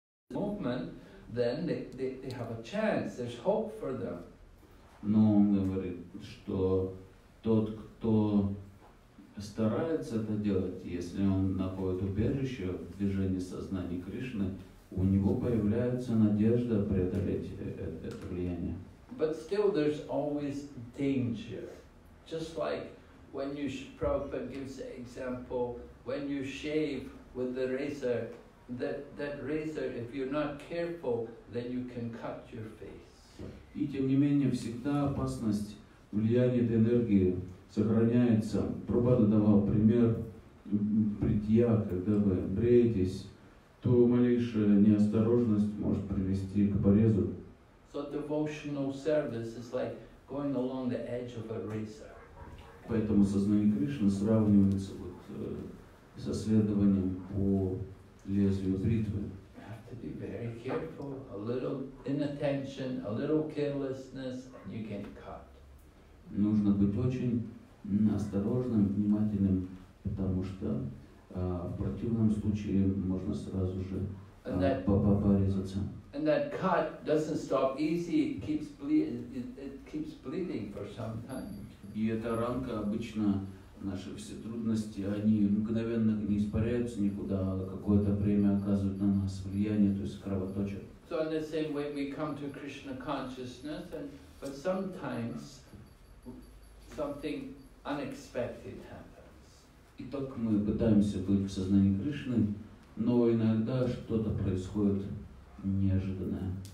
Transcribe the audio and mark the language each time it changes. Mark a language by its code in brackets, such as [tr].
[en] movement, then they have a chance. There's hope for them. [ru] Но он говорит, что тот, кто старается это делать, если он находит убежище в движении сознания Кришны, у него появляется надежда преодолеть это влияние. [en] But still, there's always danger. Just like when you Prabhupada gives an example, when you shave with the razor. That razor, if you're not careful, then you can cut your face. [ru] И тем не менее всегда опасность влияния этой энергии сохраняется. Прабхупада давал пример бритья, когда вы бреетесь, то малейшая неосторожность может привести к порезу. [en] So devotional service is like going along the edge of a razor. [ru] Поэтому сознание Кришны сравнивается вот со следованием по лезвию бритвы. [en] You have to be very careful. A little inattention, a little carelessness, and you get caught. [ru] Нужно быть очень осторожным, внимательным, потому что в противном случае можно сразу же порезаться. [en] And that cut doesn't stop easy, it keeps bleeding for some time. [ru] И эта ранка обычно наши все трудности, они мгновенно не испаряются никуда, а какое-то время оказывают на нас влияние, то есть кровоточат. [en] So in the same way we come to Krishna consciousness, but sometimes something unexpected happens. [ru] Итак, мы пытаемся быть в сознании Кришны, но иногда что-то происходит неожиданное.